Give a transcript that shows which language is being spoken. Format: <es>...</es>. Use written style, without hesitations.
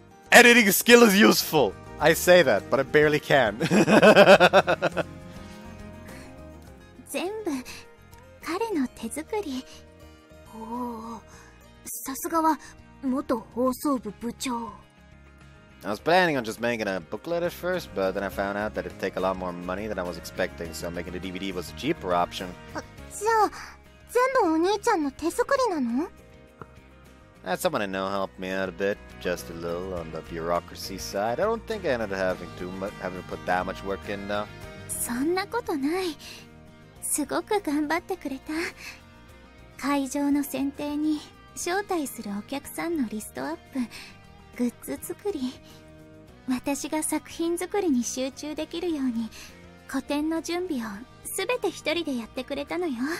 <en>Editing skill is useful! I say that, but I barely can.</en> <ja>全部、彼の手作り。おお、さすがは元放送部部長。</ja> <en>I was planning on just making a booklet at first, but then I found out that it'd take a lot more money than I was expecting, so making a DVD was a cheaper option.</en> <ja>じゃあ、全部お兄ちゃんの手作りなの?</ja> <en>Someone I know helped me out a bit, just a little on the bureaucracy side. I don't think I ended up having to put that much work in, though.</en> <ja>そんなことない。すごく頑張ってくれた。会場の選定に招待するお客さんのリストアップ。グッズ作り、私が作品作りに集中できるように個展の準備をすべて一人でやってくれたのよ。</ja>